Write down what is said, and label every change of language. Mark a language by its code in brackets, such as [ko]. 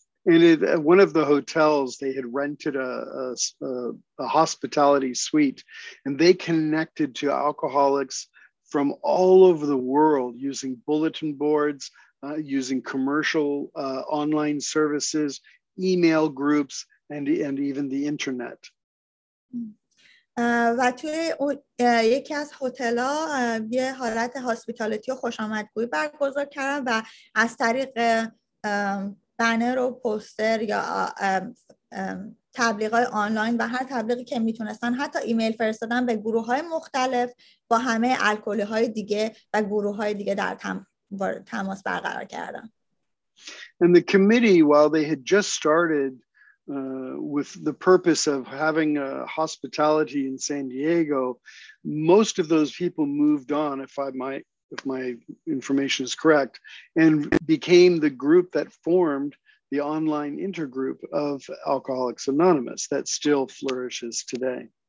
[en] And it, at one of the hotels, they had rented a hospitality suite, and they connected to alcoholics from all over the world using bulletin boards, using commercial online services, email groups, and even the internet. [fa] و توی یکی از هتل‌ها یه حالت هاسپیتالیتی و خوشامدگویی برگزار کردم و از طریق بنر و پوستر یا تبلیغ‌های آنلاین و هر تبلیغی که میتونستن حتی ایمیل فرستادن به گروه‌های مختلف با همه الکلی‌های دیگه و گروه‌های دیگه در تماس برقرار کردم. [en] And the committee, while they had just started with the purpose of having a hospitality in San Diego, most of those people moved on, if my information is correct, and became the group that formed the online intergroup of Alcoholics Anonymous that still flourishes today.